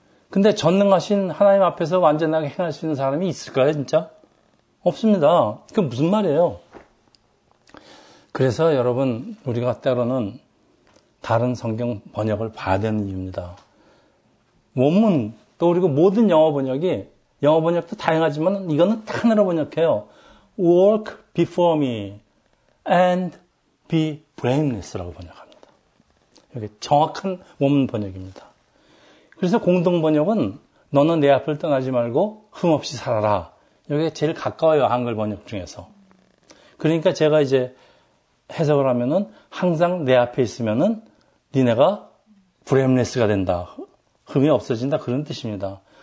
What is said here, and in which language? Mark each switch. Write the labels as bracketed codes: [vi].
[ko] 근데 전능하신 하나님 앞에서 완전하게 행할 수 있는 사람이 있을까요, 진짜? 없습니다. 그게 무슨 말이에요? 그래서 여러분, 우리가 때로는 다른 성경 번역을 봐야 되는 이유입니다. 원문, 또 그리고 모든 영어 번역도 다양하지만 이거는 딱 하나로 번역해요. [en] Walk before me and be blameless라고 번역합니다. [ko] 이게 정확한 원문 번역입니다. 그래서 공동 번역은 너는 내 앞을 떠나지 말고 흠 없이 살아라. 이게 제일 가까워요, 한글 번역 중에서. 그러니까 제가 이제 해석을 하면은 항상 내 앞에 있으면은 니네가 blameless가 된다. 흠이 없어진다. 그런 뜻입니다.